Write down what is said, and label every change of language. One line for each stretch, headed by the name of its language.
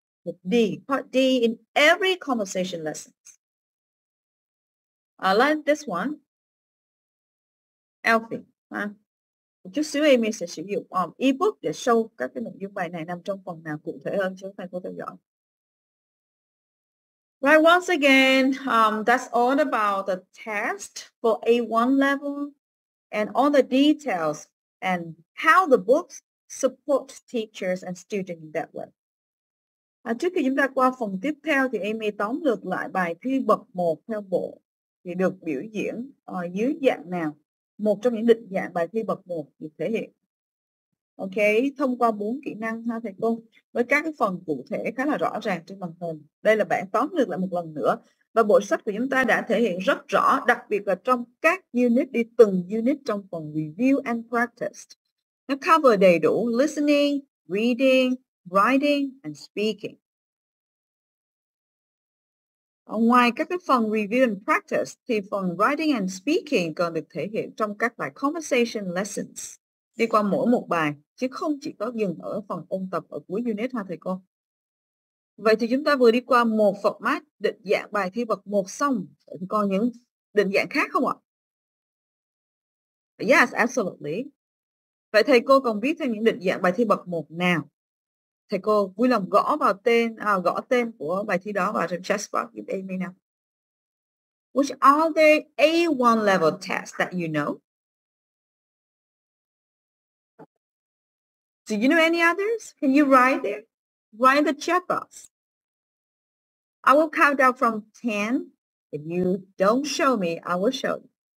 Vietnamese: Mục D,
English: part D in every conversation lesson. I like this one. Elfie.
Vietnamese: Một chút xíu Amy sẽ sử dụng ebook để show các cái nội dung bài này nằm trong phần nào cụ thể hơn cho các thầy cô theo dõi.
English: Right, once again, that's all about the test for A1 level and all the details and how the books support teachers and students in that way.
Vietnamese: Trước khi chúng ta qua phần tiếp theo thì Amy tóm lược lại bài thi bậc 1 theo bộ thì được biểu diễn dưới dạng nào. Một trong những định dạng bài thi bậc 1 được thể hiện. Ok, thông qua 4 kỹ năng ha thầy cô, với các cái phần cụ thể khá là rõ ràng trên màn hình. Đây là bản tóm lược lại một lần nữa. Và bộ sách của chúng ta đã thể hiện rất rõ, đặc biệt là trong các unit, đi từng unit trong phần review and practice. Nó cover đầy đủ listening, reading, writing and speaking. Ở ngoài các cái phần review and practice thì phần writing and speaking còn được thể hiện trong các bài conversation lessons đi qua mỗi một bài chứ không chỉ có dừng ở phần ôn tập ở cuối unit ha thầy cô. Vậy thì chúng ta vừa đi qua một format định dạng bài thi bậc 1 xong, thì còn những định dạng khác không ạ?
English: Yes, absolutely.
Vietnamese: Vậy thầy cô còn biết thêm những định dạng bài thi bậc 1 nào? Thầy cô vui lòng gõ vào tên, gõ tên của bài thi đó vào trong chat box giúp Amy nào.
English: Which are the A1 level tests that you know? Do you know any others? Can you write there? Write the chat box. I will count out from 10. If you don't show me, I will show you.